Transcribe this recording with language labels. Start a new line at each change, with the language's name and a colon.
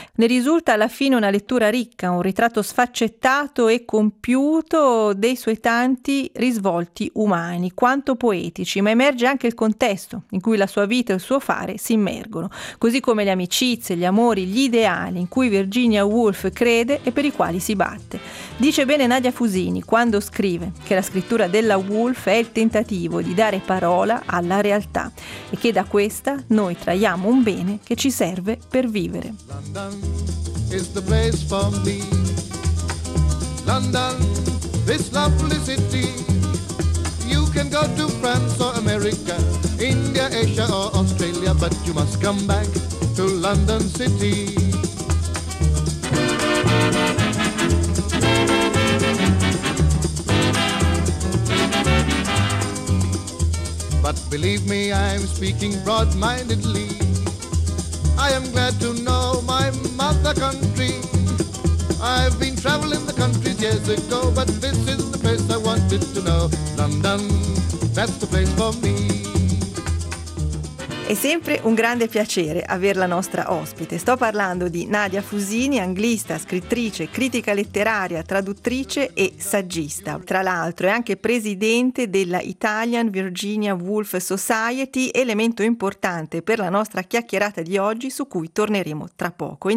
Italian: Ne risulta alla fine una lettura ricca, un ritratto sfaccettato e compiuto dei suoi tanti risvolti umani, quanto poetici, ma emerge anche il contesto in cui la sua vita e il suo fare si immergono, così come le amicizie, gli amori, gli ideali in cui Virginia Woolf crede e per i quali si batte. Dice bene Nadia Fusini quando scrive che la scrittura della Woolf è il tentativo di dare parola alla realtà e che da questa noi traiamo un bene che ci serve per vivere.
English: London is the place for me. London, this lovely city. You can go to France or America, India, Asia or Australia, but you must come back to London City. But believe me, I'm speaking broad-mindedly. I am glad to know my mother country. I've been traveling the countries years ago, but this is the place I wanted to know. London, that's the place for me.
Italian: È sempre un grande piacere aver la nostra ospite. Sto parlando di Nadia Fusini, anglista, scrittrice, critica letteraria, traduttrice e saggista. Tra l'altro è anche presidente della Italian Virginia Woolf Society, elemento importante per la nostra chiacchierata di oggi su cui torneremo tra poco.